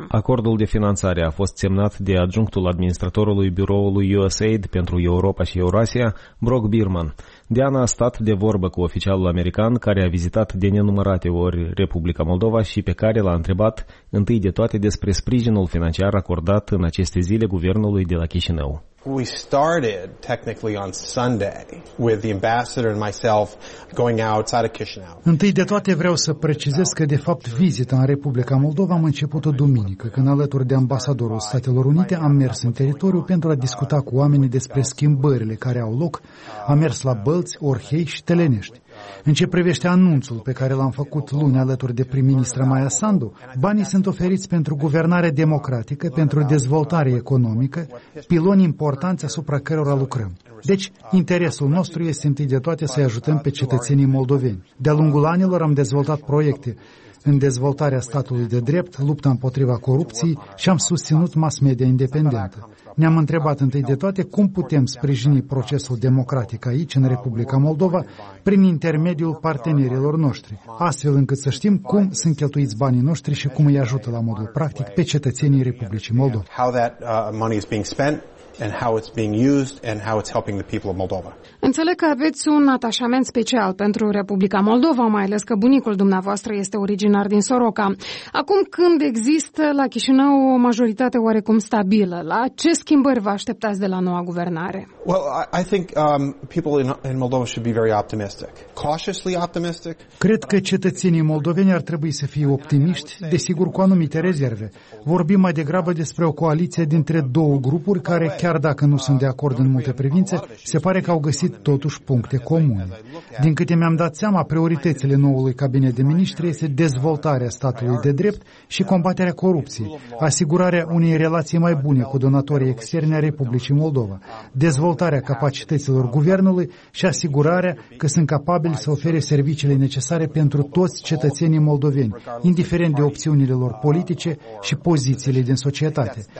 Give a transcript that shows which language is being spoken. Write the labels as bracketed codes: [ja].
[ro] Acordul de finanțare a fost semnat de adjunctul administratorului biroului USAID pentru Europa și Eurasia, Brock Bierman. Diana a stat de vorbă cu oficialul american care a vizitat de nenumărate ori Republica Moldova și pe care l-a întrebat întâi de toate despre sprijinul financiar acordat în aceste zile guvernului de la Chișinău. [en] We started technically on Sunday with the ambassador and myself going outside of Chișinău. [ro] Întâi de toate vreau să precizez că de fapt vizita în Republica Moldova am început-o duminică, când alături de ambasadorul Statelor Unite am mers în teritoriu pentru a discuta cu oamenii despre schimbările care au loc. Am mers la Bălți, Orhei și Telenești. În ce privește anunțul pe care l-am făcut luni alături de prim-ministra Maia Sandu, banii sunt oferiți pentru guvernare democratică, pentru dezvoltare economică, piloni importanți asupra cărora lucrăm. Deci, interesul nostru este întâi de toate să-i ajutăm pe cetățenii moldoveni. De-a lungul anilor am dezvoltat proiecte în dezvoltarea statului de drept, lupta împotriva corupției și am susținut mass media independentă. Ne-am întrebat întâi de toate cum putem sprijini procesul democratic aici, în Republica Moldova, prin intermediul partenerilor noștri, astfel încât să știm cum sunt cheltuiți banii noștri și cum îi ajută la modul practic pe cetățenii Republicii Moldova. [en] And how it's being used and how it's helping the people of Moldova. [ro] Înțeleg că aveți un atașament special pentru Republica Moldova, mai ales că bunicul dumneavoastră este originar din Soroca. Acum când există la Chișinău o majoritate oarecum stabilă, la ce schimbări vă așteptați de la noua guvernare? [en] Well, I think people in Moldova should be very optimistic. Cautiously optimistic. [ro] Cred că cetățenii moldoveni ar trebui să fie optimiști, desigur cu anumite rezerve. Vorbim mai degrabă despre o coaliție dintre două grupuri care, chiar dacă nu sunt de acord în multe privințe, se pare că au găsit totuși puncte comune. Din câte mi-am dat seama, prioritățile noului cabinet de miniștri este dezvoltarea statului de drept și combaterea corupției, asigurarea unei relații mai bune cu donatorii externi a Republicii Moldova, dezvoltarea capacităților guvernului și asigurarea că sunt capabili să ofere serviciile necesare pentru toți cetățenii moldoveni, indiferent de opțiunile lor politice și pozițiile din societate.